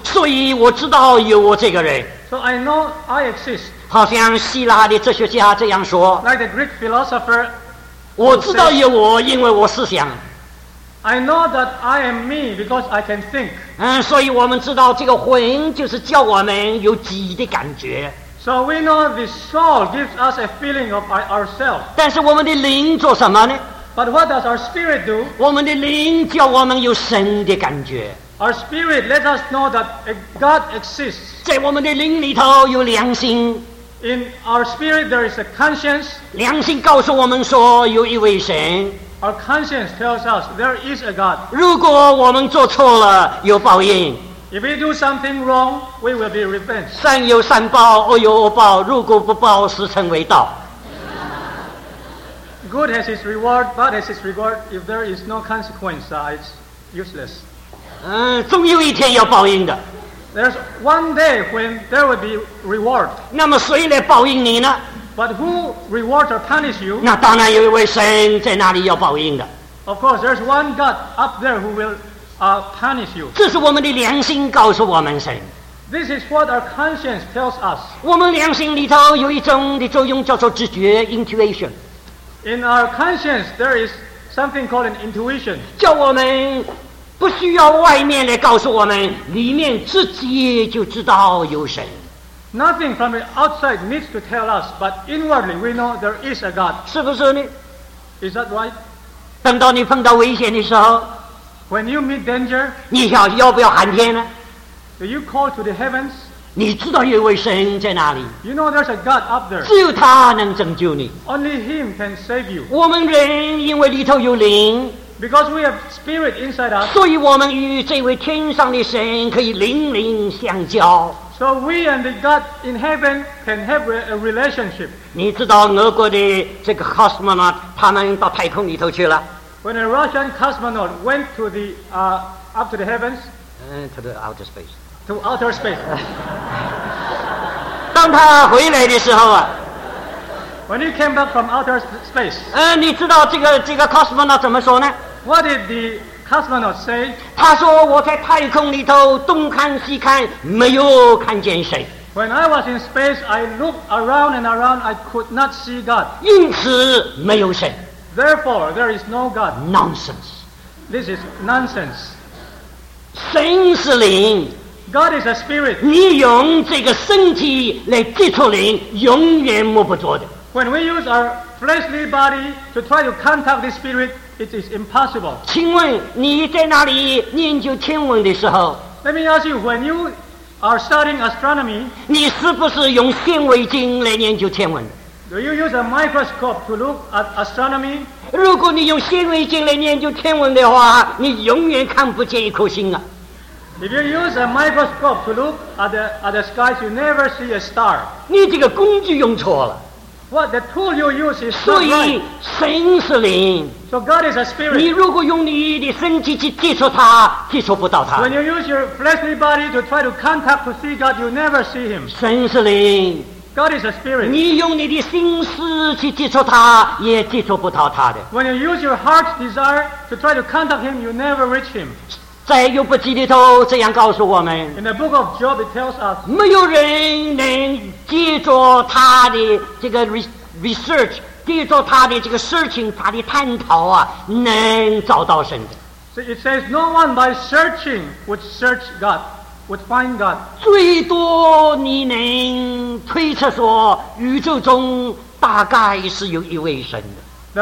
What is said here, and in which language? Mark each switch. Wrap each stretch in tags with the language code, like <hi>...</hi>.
<zh>所以我知道有我这个人。</zh> <en>So I know I exist.</en> <zh>好像希腊的哲学家这样说。</zh> <en>Like the Greek philosopher.</en> <zh>我知道有我，因为我思想。</zh> <en>I know that I am me because I can think.</en> <zh>所以我们知道这个魂就是叫我们有己的感觉。</zh> <en>So we know the soul gives us a feeling of ourselves.</en> <zh>但是我们的灵做什么呢？</zh> <en>But what does our spirit do?</en> <zh>我们的灵叫我们有神的感觉。</zh> <en>Our spirit lets us know that God exists.</en> <zh>在我们的灵里头有良心。</zh> <en>In our spirit there is a conscience.</en> <zh>良心告诉我们说有一位神。</zh> <en>Our conscience tells us there is a God.</en> <zh>如果我们做错了，有报应。</zh> <en>If we do something wrong, we will be revenged.</en> <zh>善有善报，恶有恶报。如果不报，时辰未到。</zh> <en>Good has its reward, bad has its reward. If there is no consequence, it's useless.</en> <zh>总有一天要报应的。</zh> <en>There's one day when there will be reward.</en> <zh>那么谁来报应你呢？</zh> <en>But who rewards or punishes you?</en> <zh>那当然有一位神在那里要报应的。</zh> <en>Of course, there's one God up there who will punish you.</en> <zh>这是我们的良心告诉我们神。</zh> <en>This is what our conscience tells us.</en> <zh>我们良心里头有一种的作用叫做直觉 intuition.</zh> <en>In our conscience, there is something called an intuition.</en> <zh>叫我们不需要外面来告诉我们，里面自己就知道有神。</zh> <en>Nothing from the outside needs to tell us, but inwardly we know there is a God.</en> <zh>是不是呢？</zh> <en>Is that right?</en> <zh>等到你碰到危险的时候，</zh> <en>When you meet danger,</en> <zh>你要不要喊天呢？</zh> <en>Do you call to the heavens?</en> <zh>你知道有位神在哪里？</zh> <en>You know there's a God up there.</en> <zh>只有他能拯救你。</zh> <en>Only him can save you.</en> <zh>我们人因为里头有灵，</zh> <en>Because we have spirit inside us,</en> <zh>所以我们与这位天上的神可以灵灵相交。</zh> <en>So we and the God in heaven can have a relationship.</en> <zh>你知道俄国的这个 cosmonaut 他们到太空里头去了。</zh> <en>When a Russian cosmonaut went to the up to the heavens. To the outer space. To outer space.</en> <zh>当他回来的时候啊。</zh> <en>When he came back from outer space.</en> <zh>你知道这个 cosmonaut 怎么说呢？</zh> <en>What did the cosmonaut say?</en> <zh>他说我在太空里头东看西看没有看见谁。</zh> <en>When I was in space, I looked around and around, I could not see God.</en> <zh>因此没有谁。</zh> <en>Therefore, there is no God. Nonsense. This is nonsense.</en> <zh>神是灵。</zh> <en>God is a spirit.</en> <zh>你用这个身体来接触灵，永远摸不着的。</zh> <en>When we use our fleshly body to try to contact the spirit,It is impossible.</en> <zh>请问你在那里研究天文的时候，</zh> <en>Let me ask you, when you are studying astronomy,</en> <zh>你是不是用显微镜来研究天文？</zh> <en>Do you use a microscope to look at astronomy?</en> <zh>如果你用显微镜来研究天文的话，你永远看不见一颗星啊。</zh> <en>If you use a microscope to look at the skies, you never see a star.</en> <zh>你这个工具用错了。</zh> <en>What the tool you use is not right.</en> <zh>所以神是灵。</zh> <en>So God is a spirit.</en> <zh>你如果用你的身体去接触他，接触不到他。</zh> <en>When you use your fleshly body to try to contact to see God, you never see him.</en> <zh>神是灵。</zh> <en>God is a spirit.</en> <zh>你用你的心思去接触他，也接触不到他的。</zh> <en>When you use your heart's desire to try to contact him, you never reach him.</en> <zh>在约伯记里头这样告诉我们。</zh> <en>In the book of Job, it tells us.</en> <zh>没有人能接触他的这个 research, 接触他的这个 searching, 他的探讨啊，能找到神的。</zh> <en>So it says, no one by searching would search God. Would find God.</en> <zh>最多你能推测说宇宙中大概是有一位神的。</zh>